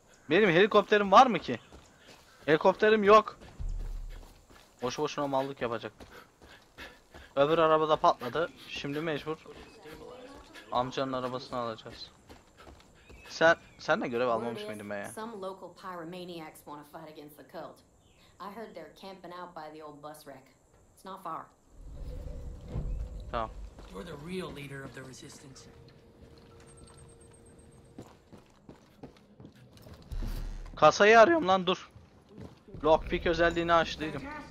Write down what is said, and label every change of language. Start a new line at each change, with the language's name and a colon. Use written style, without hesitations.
Turkish: Benim helikopterim var mı ki? Helikopterim yok. Boşu boşuna mallık yapacak. Öbür arabada patladı. Şimdi mecbur amcanın arabasını alacağız. Sen de görev almamış mıydın be ya?
English: Some local pyromaniacs want to fight against the cult. I heard they're camping out by the old bus wreck. It's not far.
Turkish: Tamam.
English: You're the real leader of the resistance.
Turkish: Kasayı arıyorum lan, dur. Lockpick özelliğini açtıydım.